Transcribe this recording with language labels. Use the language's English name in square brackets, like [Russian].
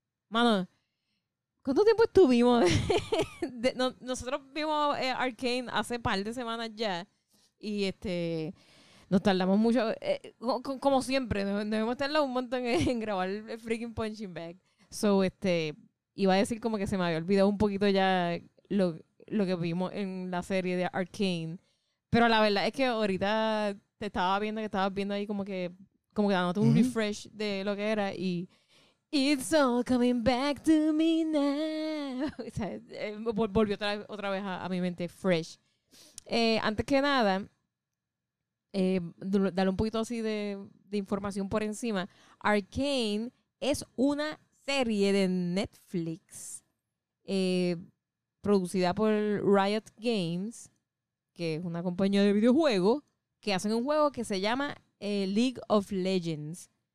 [Spanish] Mano, ¿cuánto tiempo estuvimos? Nosotros vimos Arcane hace par de semanas ya y nos tardamos mucho, como siempre, nos hemos tardado un montón en grabar el freaking Punching Bag. So, iba a decir como que se me había olvidado un poquito ya lo que vimos en la serie de Arcane. Pero la verdad es que ahorita te estaba viendo, que estabas viendo ahí como que dándote un refresh de lo que era y... [English] It's all coming back to me now. [Spanish] O sea, volvió otra vez a mi mente fresh. Antes que nada, darle un poquito así de información por encima. Arcane es una serie de Netflix producida por Riot Games, que es una compañía de videojuegos, que hacen un juego que se llama League of Legends.